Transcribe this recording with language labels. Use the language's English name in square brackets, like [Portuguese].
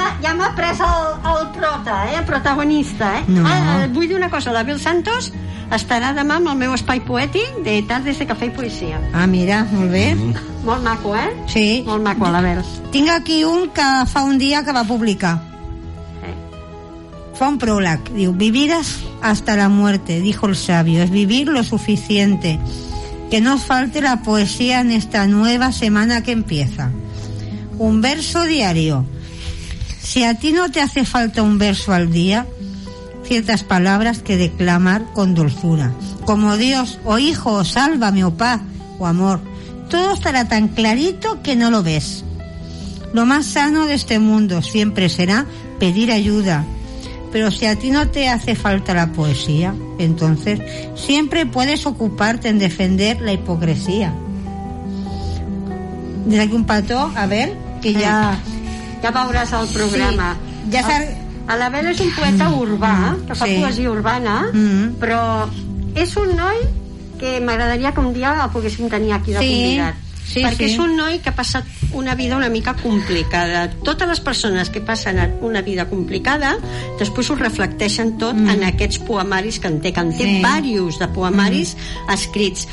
[Catalan] Ja m'ha pres el prota, el protagonista. No. Vull dir una cosa, l'Abel Santos estarà demà amb el meu espai poètic de Tardes de Café i Poesia. Ah, mira, molt bé. Molt maco, eh? Sí. Molt maco, l'Abel. Tinc aquí un que fa un dia que va publicar. Fa un pròleg, diu: [Spanish] vivirás hasta la muerte, dijo el sabio, es vivir lo suficiente, que no os falte la poesía en esta nueva semana que empieza. Un verso diario. Si a ti no te hace falta un verso al día, ciertas palabras que declamar con dulzura, como Dios, o hijo, o sálvame, o paz, o amor, todo estará tan clarito que no lo ves. Lo más sano de este mundo siempre será pedir ayuda. Pero si a ti no te hace falta la poesía, entonces siempre puedes ocuparte en defender la hipocresía. Desde aquí [Catalan] un petó, [Spanish] a ver, que ya... [Catalan] Ya veuràs el programa. Sí, ja a l'Abel és un poeta urbà, que fa poesia urbana, però és un noi que m'agradaria que un dia el poguéssim tenir aquí de convidat. Sí, perquè és un noi que ha passat una vida una mica complicada. Totes les persones que passen una vida complicada després ho reflecteixen tot en aquests poemaris que en té, que en té diversos de poemaris escrits.